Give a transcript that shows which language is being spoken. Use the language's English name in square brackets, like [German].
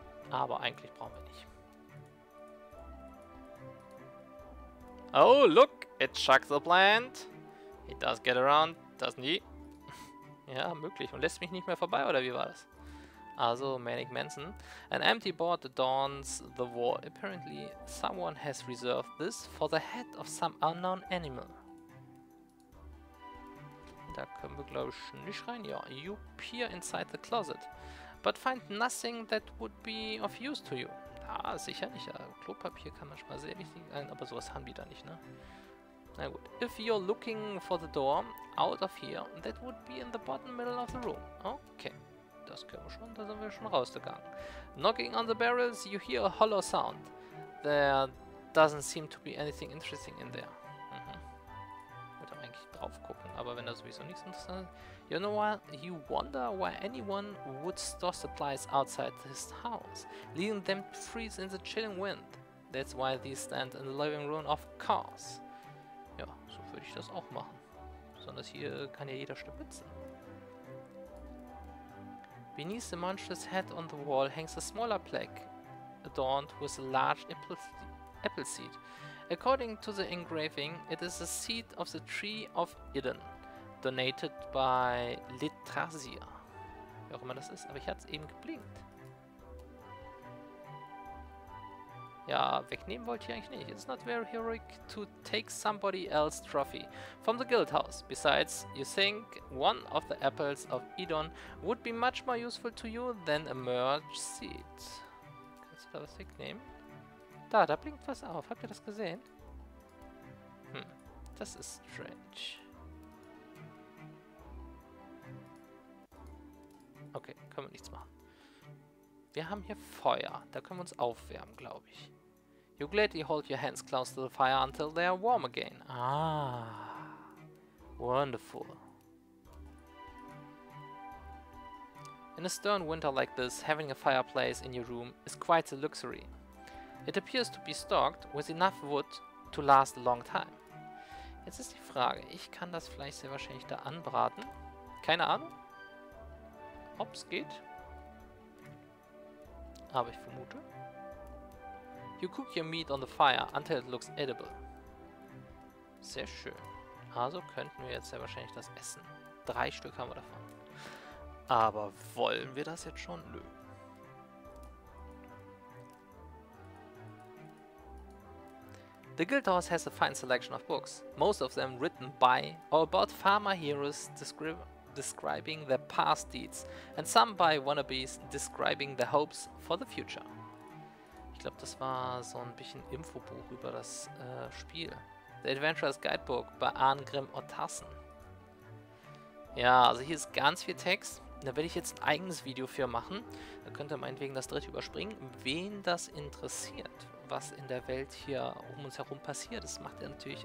[German] Aber eigentlich brauchen wir nicht. [English] Oh, look! It's Chuck the Plant. He does get around, doesn't he? [German] Ja, möglich. Und lässt mich nicht mehr vorbei, oder wie war das? [English] Also, Manic Manson. An empty board adorns the wall. Apparently, someone has reserved this for the head of some unknown animal. [German] Da können wir, glaube ich, nicht rein. [English] Ja, you peer inside the closet, but find nothing that would be of use to you. [German] Ah, sicher nicht. Ja. Klopapier kann manchmal sehr wichtig sein, aber sowas haben die da nicht, ne? Na gut. [English] If you're looking for the door out of here, that would be in the bottom middle of the room. Okay. [German] Das können wir schon, da sind wir schon rausgegangen. [English] Knocking on the barrels, you hear a hollow sound. There doesn't seem to be anything interesting in there. Mhm. [German] Wollte eigentlich drauf gucken, aber wenn da sowieso nichts interessant ist. [English] You know what? You wonder why anyone would store supplies outside this house, leaving them to freeze in the chilling wind. That's why these stand in the living room of course. [German] Ja, so würde ich das auch machen. Besonders hier kann ja jeder stibitzen. [English] Beneath the monstrous head on the wall hangs a smaller plaque adorned with a large apple seed. According to the engraving, it is the seed of the Tree of Eden, donated by Litrasia. [German] Wie auch immer das ist, aber ich hatte es eben geblinkt. Ja, wegnehmen wollte ich eigentlich nicht. [English] It's not very heroic to take somebody else's trophy from the guild house. Besides, you think one of the apples of Eden would be much more useful to you than a merge seed. [German] Kannst du da was wegnehmen? Da, da blinkt was auf. Habt ihr das gesehen? Hm, das ist strange. Okay, können wir nichts machen. Wir haben hier Feuer. Da können wir uns aufwärmen, glaube ich. [English] You gladly hold your hands close to the fire until they are warm again. Ah, wonderful. In a stern winter like this, having a fireplace in your room is quite a luxury. It appears to be stocked with enough wood to last a long time. [German] Jetzt ist die Frage, ich kann das Fleisch sehr wahrscheinlich da anbraten. Keine Ahnung, ob es geht. Aber ich vermute. [English] You cook your meat on the fire until it looks edible. [German] Sehr schön. Also könnten wir jetzt sehr wahrscheinlich das essen. Drei Stück haben wir davon. Aber wollen wir das jetzt schon? Nö. [English] The Guild House has a fine selection of books. Most of them written by or about farmer heroes describing their past deeds and some by wannabes describing their hopes for the future. [German] Ich glaube, das war so ein bisschen Infobuch über das Spiel. The Adventurer's Guidebook bei Arngrim Ottarsen. Ja, also hier ist ganz viel Text. Da werde ich jetzt ein eigenes Video für machen. Da könnt ihr meinetwegen das dritte überspringen. Wen das interessiert, was in der Welt hier um uns herum passiert, das macht ihr natürlich.